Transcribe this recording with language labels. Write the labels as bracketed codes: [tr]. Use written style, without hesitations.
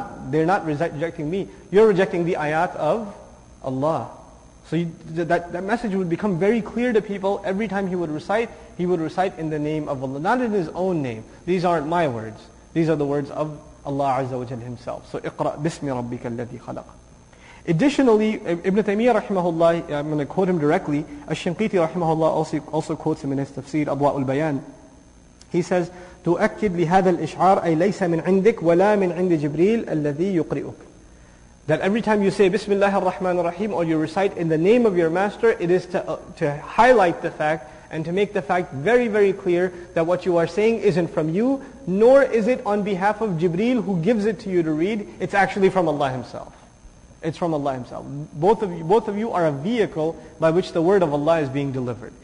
[en] They're not rejecting me. You're rejecting the ayat of Allah. So that message would become very clear to people. Every time he would recite in the name of Allah, not in his own name. These aren't my words. These are the words of Allah Azza wa Jalla himself. [ar] So اقرأ بسم ربك الذي خلق. [en] Additionally, Ibn Taymiyyah rahimahullah, I'm going to quote him directly, Ash-Shinqiti rahimahullah also quotes him in his tafsir, Adwa'ul Bayan. He says, [ar] تُؤَكِّدْ لِهَذَا الْإِشْعَارِ أَيْ لَيْسَ مِنْ عِنْدِكْ وَلَا مِنْ عِنْدِ جِبْرِيلِ الَّذِي يُقْرِئُكْ. [en] That every time you say Bismillah ar-Rahman ar-Rahim or you recite in the name of your master, it is to highlight the fact and to make the fact very, very clear that what you are saying isn't from you, nor is it on behalf of Jibreel who gives it to you to read. It's actually from Allah Himself. It's from Allah Himself. Both of you are a vehicle by which the word of Allah is being delivered.